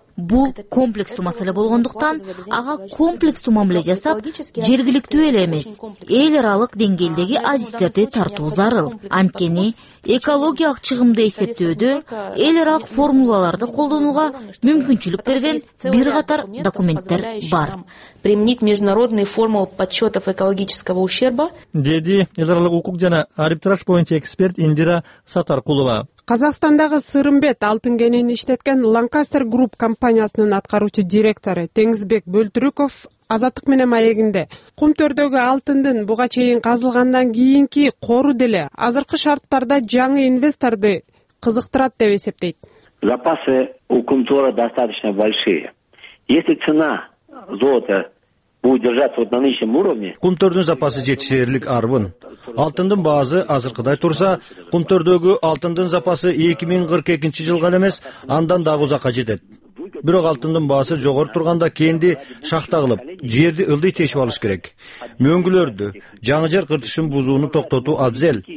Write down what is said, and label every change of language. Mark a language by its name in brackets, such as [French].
[Kyrgyz] Бул комплекстуу маселе болгондуктан, ага комплекстуу мамиле жасап, жергиликтүү эле эмес, эл аралык деңгээлдеги адистерди тартуу зарыл. Анткени экологиялык чыгымды эсептөөдө эл аралык формулаларды колдонууга мүмкүнчүлүк берген бир катар документтер бар. [Russian] Применить международные формулы подсчетов экологического ущерба, [Kyrgyz] деди эл аралык укук жана арбитраж боюнча эксперт Индира Сатаркулова. Казакстандагы Сырымбет алтын кенин иштеткен Lancaster Group компаниясынын аткаруучу директору Теңизбек Бөлтүрүков Азаттык менен маегинде кумтөрдөгү алтындын буга чейин казылгандан кийинки кору деле азыркы шарттарда жаңы инвесторду кызыктырат деп эсептейт. [Russian] Запасы у кумтора достаточно большие. Если цена золота будет держаться на нынешнем уровне, [Kyrgyz] кумтөрдүн запасы жетишерлик арбын. Алтындын баасы азыркыдай турса, кумтөрдөгү алтындын запасы 2042 жылга эмес, андан дагы узакка жетет. Бирок алтындын баасы жогору турганда кенди шахта кылып, жерди ылдый тешип алыш керек. Мөңгүлөрдү, жаңы жер кыртышын бузууну токтотуу абзел.